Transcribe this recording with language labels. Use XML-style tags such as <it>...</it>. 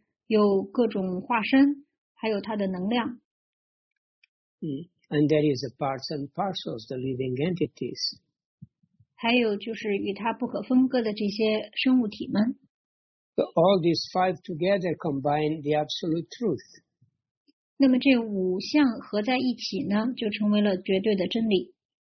<zh>有各种化身，还有它的能量。</zh> <en>And there is the parts and parcels, the living entities.</en> <zh>还有就是与它不可分割的这些生物体们。</zh> <en>But all these five together combine the absolute truth.</en> <zh>那么这五项合在一起呢，就成为了绝对的真理。</zh>